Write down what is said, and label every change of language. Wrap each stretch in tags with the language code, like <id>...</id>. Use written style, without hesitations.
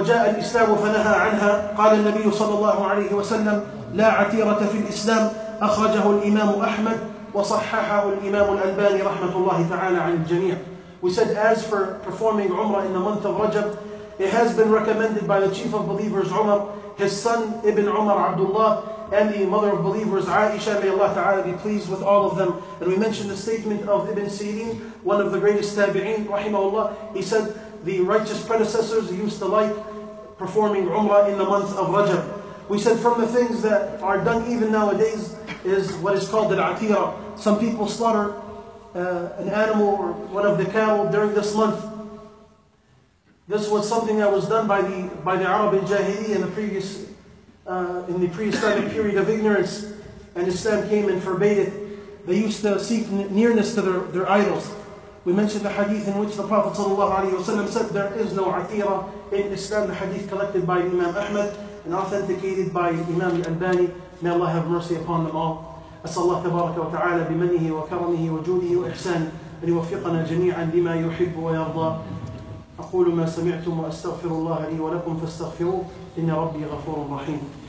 <ar>الإسلام فنهى عنها قال النبي صلى الله عليه وسلم لا عتيرة في الإسلام أخرجه الإمام أحمد وصححه الإمام الألباني رحمة الله تعالى عن الجميع.</ar> <en>We said as for performing Umrah in the month of Rajab, it has been recommended by the chief of believers Umar, his son Ibn Umar Abdullah, and the mother of believers Aisha, may Allah Ta'ala be pleased with all of them. And we mentioned the statement of Ibn Sirin, one of the greatest tabi'in, rahimahullah. He said, the righteous predecessors used to like performing Umrah in the month of Rajab. We said from the things that are done even nowadays is what is called al-atira. Some people slaughter an animal or one of the cow during this month. This was something that was done by the Arab in Jahili in the previous in the pre-Islamic period of ignorance, and Islam came and forbade it. They used to seek nearness to their idols. We mentioned the hadith in which the Prophet ﷺ said there is no atira in Islam. The hadith collected by Imam Ahmad and authenticated by Imam al-Albani. May Allah have mercy upon them all.</en> <ar>أسأل الله تبارك وتعالى بمنه وكرمه وجوده وإحسانه أن يوفقنا جميعا لما يحب ويرضى. أقول ما سمعتم وأستغفر الله لي ولكم فاستغفروه إن ربي غفور رحيم.</ar>